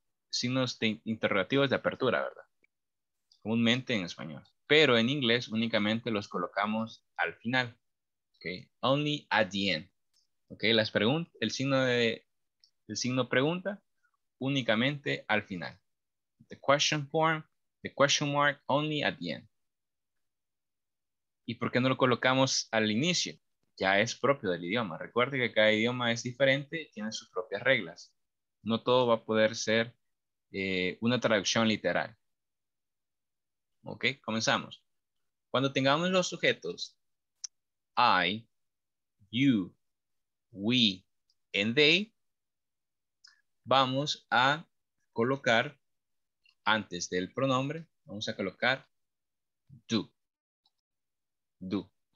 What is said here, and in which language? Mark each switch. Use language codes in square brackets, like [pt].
[es] Signos de interrogativos de apertura, ¿verdad? Comúnmente en español. Pero en inglés únicamente los colocamos al final. Okay. [en] Only at the end. Okay. [es] Las preguntas, el signo pregunta únicamente al final. [en] The question form, the question mark, only at the end. [es] ¿Y por qué no lo colocamos al inicio? Ya es propio del idioma. Recuerde que cada idioma es diferente, tiene sus propias reglas. No todo va a poder ser una traducción literal. Ok, comenzamos. Cuando tengamos los sujetos, [en] I, you, we, and they, [es] vamos a colocar, antes del pronombre, vamos a colocar do. Do.